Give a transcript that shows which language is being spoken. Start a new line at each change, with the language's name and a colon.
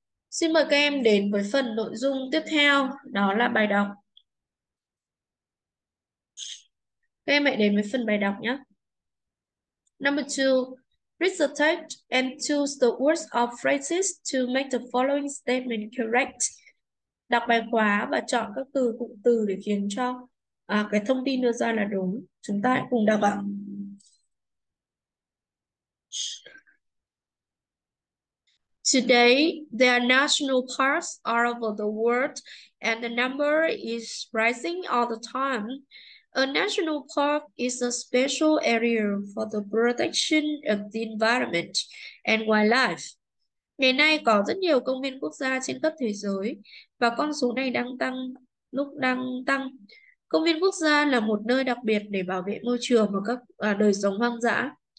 Vietnamese: Xin mời các em đến với phần nội dung tiếp theo, đó là bài đọc. Em hãy đến với phần bài đọc nhé.
English: Number 2, read the text and choose the words or phrases to make the following statement correct.
Vietnamese: Đọc bài khóa và chọn các từ cụm từ để khiến cho cái thông tin đưa ra là đúng. Chúng ta hãy cùng đọc ạ.
English: Today, there are national parks all over the world and the number is rising all the time. A national park is a special area for the protection of the environment and wildlife.
Vietnamese: Ngày nay có rất nhiều công viên quốc gia trên khắp thế giới và con số này đang tăng. Công viên quốc gia là một nơi đặc biệt để bảo vệ môi trường và các đời sống hoang dã.